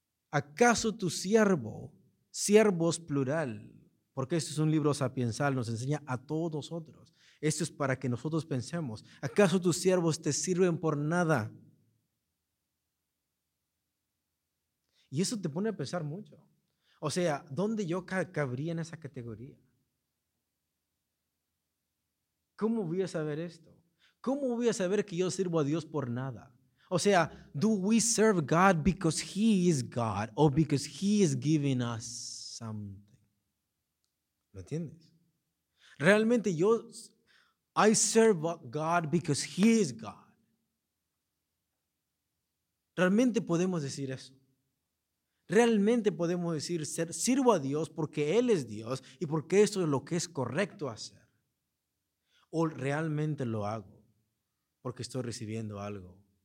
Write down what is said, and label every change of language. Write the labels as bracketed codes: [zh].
[es] ¿Acaso tu siervo, siervos plural, porque esto es un libro sapiensal, nos enseña a todos nosotros, esto es para que nosotros pensemos, ¿acaso tus siervos te sirven por nada? Y eso te pone a pensar mucho. O sea, ¿dónde yo cabría en esa categoría? ¿Cómo voy a saber esto? ¿Cómo voy a saber que yo sirvo a Dios por nada? O sea, [en] ¿do we serve God because He is God or because He is giving us something? [es] ¿Lo entiendes? Realmente yo, [en] I serve God because He is God. [es] Realmente podemos decir eso. Realmente podemos decir, sirvo a Dios porque Él es Dios y porque esto es lo que es correcto hacer. O realmente lo hago porque estoy recibiendo algo.